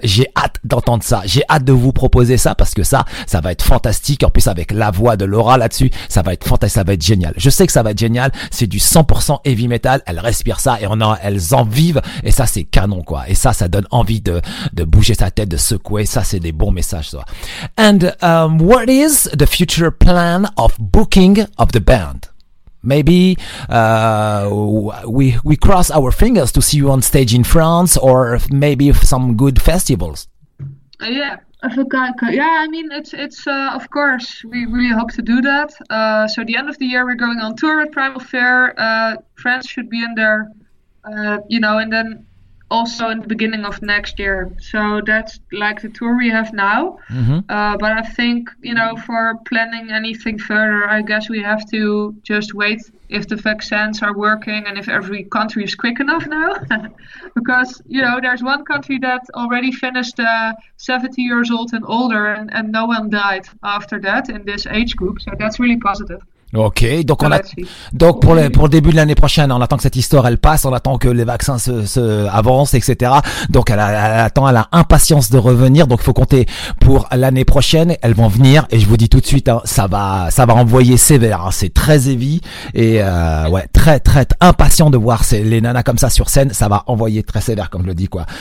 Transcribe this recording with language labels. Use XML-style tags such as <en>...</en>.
<fr>J'ai hâte d'entendre ça. J'ai hâte de vous proposer ça, parce que ça, ça va être fantastique. En plus, avec la voix de Laura là-dessus, ça va être fantastique, ça va être génial. Je sais que ça va être génial. C'est du 100% heavy metal. Elles respirent ça et elles en vivent. Et ça, c'est canon, quoi. Et ça, ça donne envie de bouger sa tête, de secouer. Ça, c'est des bons messages, ça.</fr> <en>And what is the future plan of booking of the band? Maybe we cross our fingers to see you on stage in France, or maybe some good festivals. Yeah, I mean it's of course we really hope to do that. So at the end of the year we're going on tour with Primal Fear. France should be in there, you know, and then also in the beginning of next year. So that's like the tour we have now. Mm-hmm. But I think, you know, for planning anything further, I guess we have to just wait if the vaccines are working and if every country is quick enough now. Because, you know, there's one country that already finished 70 years old and older, and no one died after that in this age group. So that's really positive.</en> <fr>Ok, donc on a donc pour le début de l'année prochaine, on attend que cette histoire elle passe, on attend que les vaccins se avancent, etc. Donc elle a impatience de revenir, donc faut compter pour l'année prochaine, elles vont venir et je vous dis tout de suite, hein, ça va envoyer sévère, hein, c'est très heavy et ouais très très impatient de voir les nanas comme ça sur scène, ça va envoyer très sévère comme je le dis quoi.</fr>